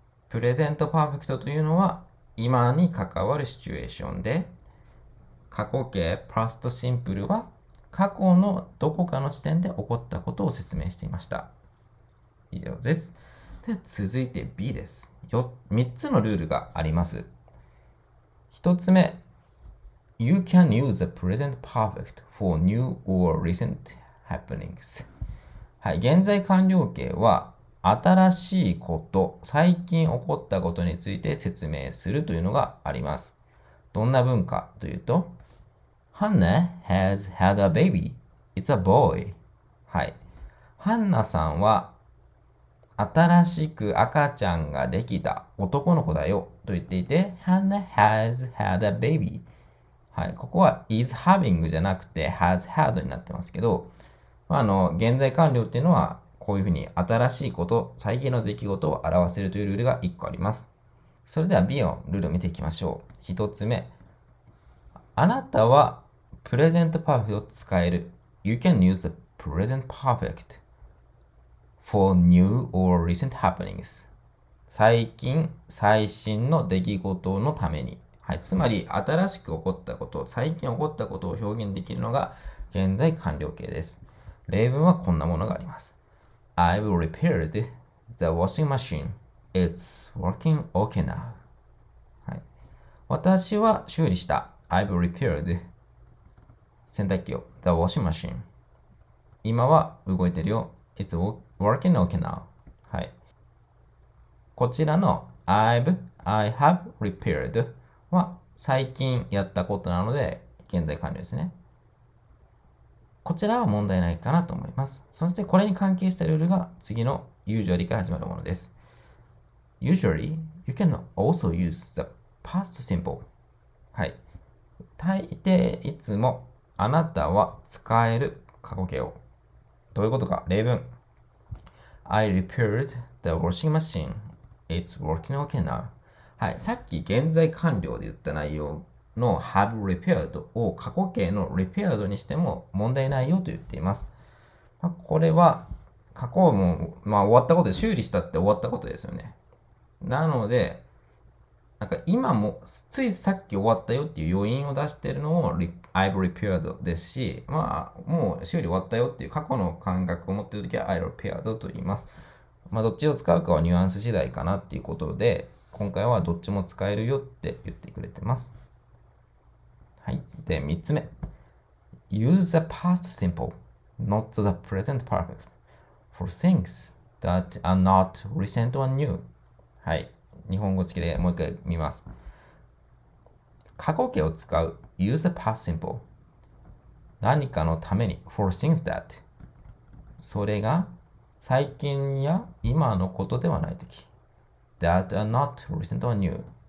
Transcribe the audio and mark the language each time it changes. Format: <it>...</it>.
<ja>プレゼントパーフェクトというのは今に関わるシチュエーションで、過去形プラストシンプルは過去のどこかの時点で起こったことを説明していました。以上です。で続いて B です。3つのルールがあります。 1つ目。</ja> <en>You can use the present perfect for new or recent happenings.</en> <ja>はい、現在完了形は新しいこと、最近起こったことについて説明するというのがあります。どんな文かというと、</ja> <en>Hanna has had a baby. It's a boy.</en> <ja>はい、ハンナさんは新しく赤ちゃんができた男の子だよと言っていて、</ja> <en>Hanna has had a baby.</en> <ja>はい、ここは is having じゃなくて has had になってますけど、現在完了っていうのはこういうふうに新しいこと、最近の出来事を表せるというルールが1個あります。それでは B のルールを見ていきましょう。1つ目。あなたはプレゼントパーフェクトを使える。</ja> <en>You can use the present perfect for new or recent happenings.</en> <ja>最近、最新の出来事のために。はい、つまり新しく起こったこと、最近起こったことを表現できるのが現在完了形です。例文はこんなものがあります。</ja> <en>I've repaired the washing machine. It's working okay now.、</en> <ja>はい、私は修理した。</ja> <en>I've repaired</en> <ja>洗濯機を。</ja> <en>The washing machine.</en> <ja>今は動いてるよ。</ja> <en>It's working okay now.、</en> <ja>はい、こちらの I have repaired は最近やったことなので現在完了ですね。こちらは問題ないかなと思います。そしてこれに関係したルールが次の usually から始まるものです。</ja> <en>Usually, you can also use the past simple.</en> <ja>はい。大抵いつもあなたは使える過去形を。どういうことか。例文。</ja> <en>I repaired the washing machine. It's working okay now.</en> <ja>はい、さっき現在完了で言った内容の have repaired を過去形の repaired にしても問題ないよと言っています。まあ、これは過去も、終わったことで、修理したって終わったことですよね。なので、なんか今もついさっき終わったよっていう余韻を出しているのも I've repaired ですし、もう修理終わったよっていう過去の感覚を持っているときは I repaired と言います。まあ、どっちを使うかはニュアンス次第かなっていうことで、今回はどっちも使えるよって言ってくれてます。はい。で、3つ目。</ja> <en>Use the past simple, not the present perfect, for things that are not recent or new.</en> <ja>はい。日本語付きでもう一回見ます。過去形を使う。</ja> <en>Use the past simple.</en> <ja>何かのために。</ja> <en>for things that.</en> <ja>それが最近や今のことではないとき。</ja> <en>that are not recent or new。</en>